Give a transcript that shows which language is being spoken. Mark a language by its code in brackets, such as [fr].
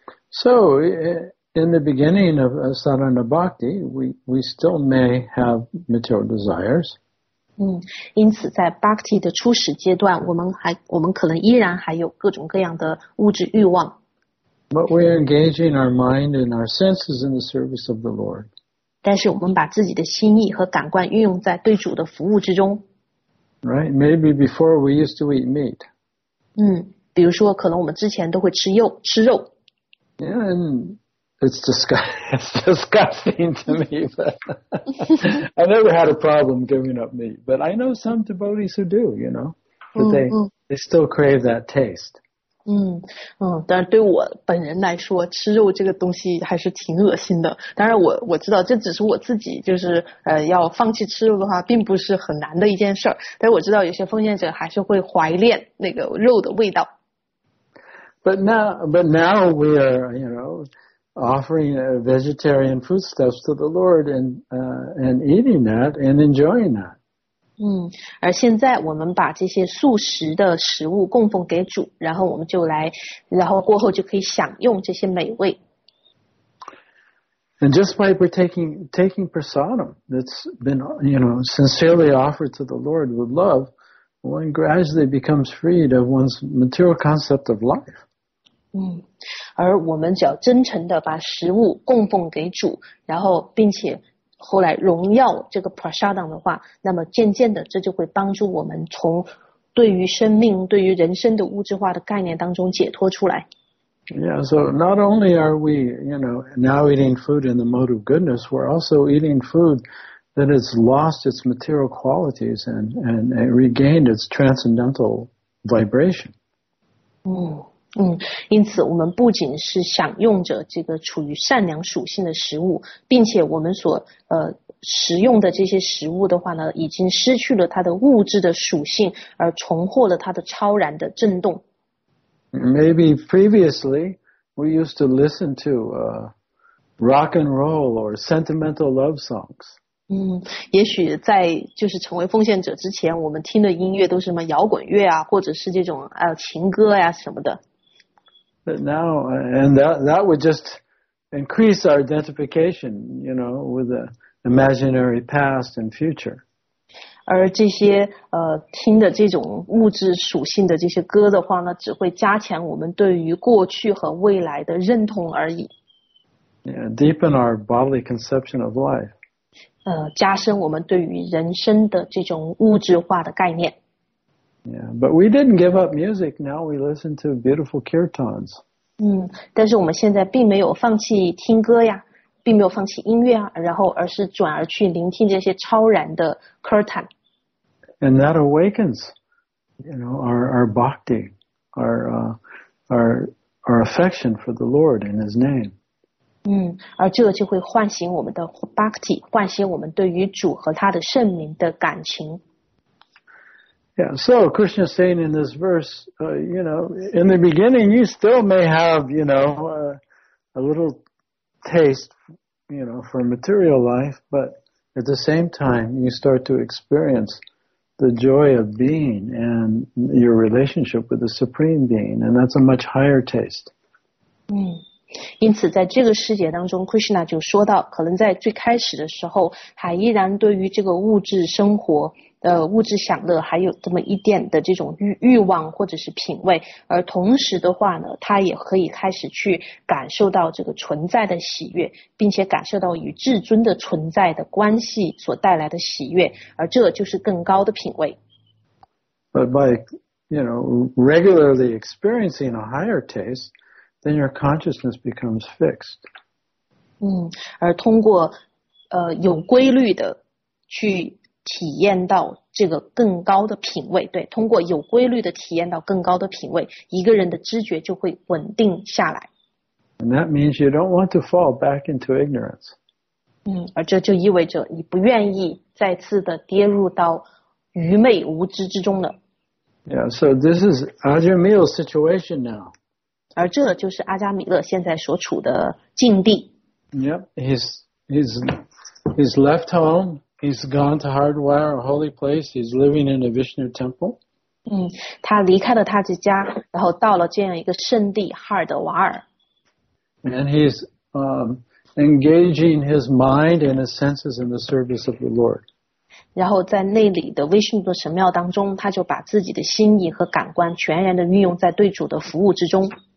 [en] So, in the beginning of Sadhana Bhakti, we still may have material desires. [zh] 因此在 Bhakti 的初始阶段，我们可能依然还有各种各样的物质欲望。 [en] But we are engaging our mind and our senses in the service of the Lord. [zh] 但是我们把自己的心意和感官运用在对主的服务之中。 [en] Right, maybe before we used to eat meat. [zh] 比如说可能我们之前都会吃肉。 [en] Yeah, and... It's disgusting to me, but I never had a problem giving up meat. But I know some devotees who do, you know, that they still crave that taste. [zh] 但是对我本人来说，吃肉这个东西还是挺恶心的。当然我知道这只是我自己，就是要放弃吃肉的话，并不是很难的一件事儿。但是我知道有些奉献者还是会怀念那个肉的味道。 [en] But now we are, you know, offering vegetarian foodstuffs to the Lord and eating that and enjoying that. [zh] 而现在我们把这些素食的食物供奉给主，然后我们就来，然后过后就可以享用这些美味。 [en] And just by taking prasadam that's been, you know, sincerely offered to the Lord with love, one gradually becomes freed of one's material concept of life. [zh] 而我们只要真诚地把食物供奉给主，然后并且后来荣耀这个 prasadam 的话，那么渐渐的这就会帮助我们从对于生命、对于人生的物质化的概念当中解脱出来。 [en] Yeah, so not only are we, you know, now eating food in the mode of goodness, we're also eating food that has lost its material qualities and regained its transcendental vibration. [zh] 因此我们不仅是享用着这个处于善良属性的食物，并且我们所食用的这些食物的话呢，已经失去了它的物质的属性，而重获了它的超然的震动。 [en] Maybe previously we used to listen to rock and roll or sentimental love songs. [zh] 也许在就是成为奉献者之前，我们听的音乐都是什么摇滚乐啊，或者是这种情歌呀什么的。 [en] But now, and that would just increase our identification, you know, with the imaginary past and future. [zh] 而这些听的这种物质属性的这些歌的话呢，只会加强我们对于过去和未来的认同而已。 [en] Yeah, deepen our bodily conception of life. [zh] 加深我们对于人生的这种物质化的概念。 [en] Yeah, but we didn't give up music. Now we listen to beautiful kirtans. [zh] 但是我们现在并没有放弃听歌呀，并没有放弃音乐啊，然后而是转而去聆听这些超然的 kirtan. [en] And that awakens, you know, our bhakti, our affection for the Lord and His name. [zh] 而这就会唤醒我们的 bhakti, 唤醒我们对于主和他的圣名的感情。 [en] Yeah, so Krishna is saying in this verse, you know, in the beginning you still may have, you know, a little taste, you know, for material life, but at the same time you start to experience the joy of being and your relationship with the Supreme Being, and that's a much higher taste. [zh] 因此在这个世界当中 Krishna 就说到，可能在最开始的时候还依然对于这个物质生活的物质享乐还有这么一点的这种欲望或者是品味，而同时的话呢，他也可以开始去感受到这个存在的喜悦，并且感受到与至尊的存在的关系所带来的喜悦，而这就是更高的品味。 [en] But by, you know, regularly experiencing a higher taste, then your consciousness becomes fixed. [zh] 而通过有规律的去体验到这个更高的品位，对，通过有规律的体验到更高的品位，一个人的知觉就会稳定下来。 [en] And that means you don't want to fall back into ignorance. [zh] 而这就意味着你不愿意再次的跌入到愚昧无知之中了。 [en] Yeah, so this is Ajamila's situation now. [zh] 而这就是阿加米勒现在所处的境地。 [en] Yep, he's left home. He's gone to Hardwar, a holy place. He's living in a Vishnu temple. [zh] 他离开了他的家，然后到了这样一个圣地哈尔德瓦尔。 [en] And he's engaging his mind and his senses in the service of the Lord. [zh] 然后在那里的 Vishnu 的神庙当中，他就把自己的心意和感官全然的运用在对主的服务之中。